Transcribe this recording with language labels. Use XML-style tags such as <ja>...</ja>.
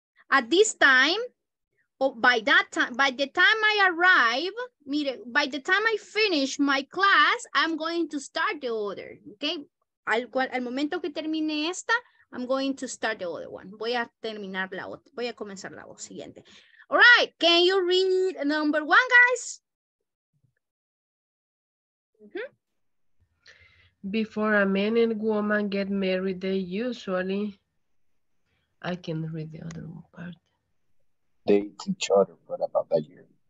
<en>At this time, or by that time, by the time I arrive.</en> <es>Mire,</es> <en>by the time I finish my class, I'm going to start the other, okay?</en> <es>Al momento que termine esta,</es> <en>I'm going to start the other one.</en> <es>Voy a terminar la otra, voy a comenzar la siguiente.</es> <en>All right, can you read number one, guys? Mm-hmm. Before a man and woman get married, they usually, I can read the other one part. They teach other, but about that year.</en>